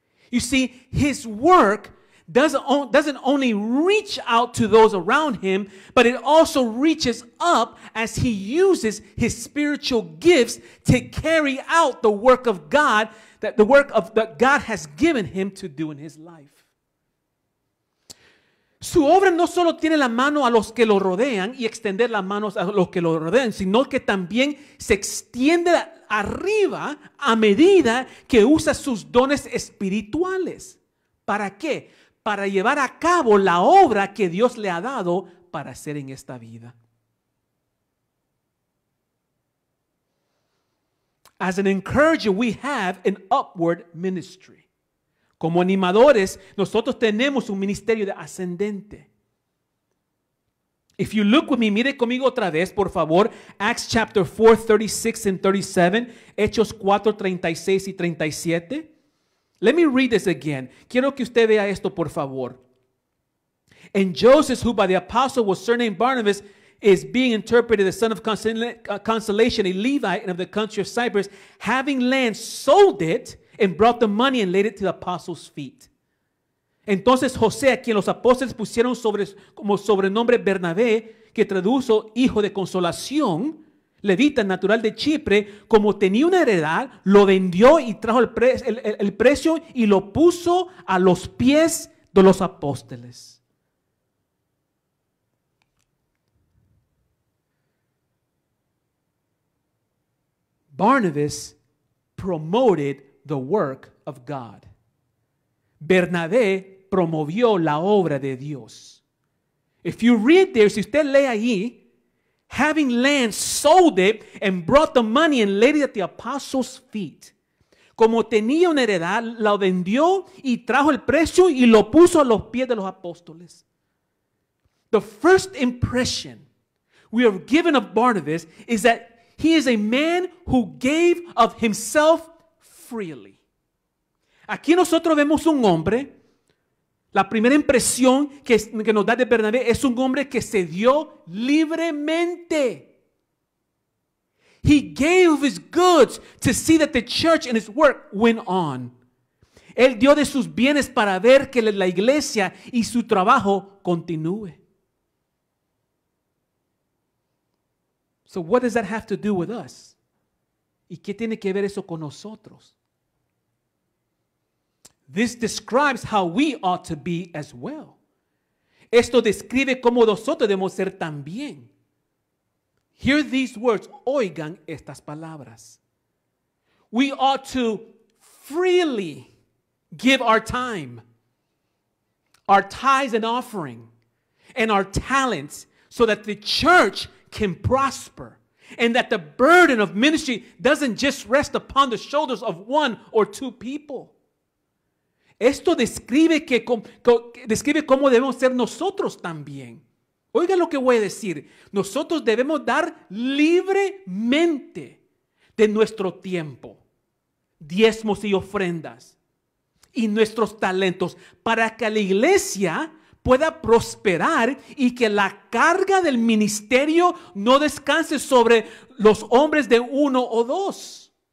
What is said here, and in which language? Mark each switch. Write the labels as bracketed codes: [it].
[en] You see, his work doesn't only reach out to those around him, but it also reaches up as he uses his spiritual gifts to carry out the work of God, that the work of that God has given him to do in his life. [es] Su obra no solo tiene la mano a los que lo rodean y extender las manos a los que lo rodean, sino que también se extiende arriba a medida que usa sus dones espirituales. ¿Para qué? Para llevar a cabo la obra que Dios le ha dado para hacer en esta vida. [en] As an encourager, we have an upward ministry. [es] Como animadores, nosotros tenemos un ministerio de ascendente. [en] If you look with me, [es] mire conmigo otra vez, por favor, [en] Acts chapter 4, 36 and 37, [es] Hechos 4, 36 y 37. [en] Let me read this again. [es] Quiero que usted vea esto, por favor. [en] And Joseph, who by the apostle was surnamed Barnabas, is being interpreted the son of consolation, a Levite and of the country of Cyprus, having land, sold it and brought the money and laid it to the apostles' feet. [es] Entonces José, a quien los apóstoles pusieron sobre, como sobrenombre Bernabé, que traduzo hijo de consolación, levita natural de Chipre, como tenía una heredad, lo vendió y trajo el precio y lo puso a los pies de los apóstoles. [en] Barnabas promoted the work of God. [es] Bernabé promovió la obra de Dios. [en] If you read there, [es] si usted lee ahí, [en] having land, sold it, and brought the money and laid it at the apostles' feet. [es] Como tenía una heredad, la vendió y trajo el precio y lo puso a los pies de los apóstoles. [en] The first impression we are given of Barnabas is that he is a man who gave of himself freely. [es] Aquí nosotros vemos un hombre. La primera impresión que nos da de Bernabé es un hombre que se dio libremente. [en] He gave of his goods to see that the church and its work went on. [es] Él dio de sus bienes para ver que la iglesia y su trabajo continúe. [en] So what does that have to do with us? [es] ¿Y qué tiene que ver eso con nosotros? [en] This describes how we ought to be as well. [es] Esto describe cómo nosotros debemos ser también. [en] Hear these words. [es] Oigan estas palabras. [en] We ought to freely give our time, our tithes and offering, and our talents so that the church can prosper and that the burden of ministry doesn't just rest upon the shoulders of one or two people. [es] Esto describe que describe cómo debemos ser nosotros también. Oiga lo que voy a decir. Nosotros debemos dar libremente de nuestro tiempo, diezmos y ofrendas y nuestros talentos para que la iglesia pueda prosperar y que la carga del ministerio no descanse sobre los hombres de uno o dos.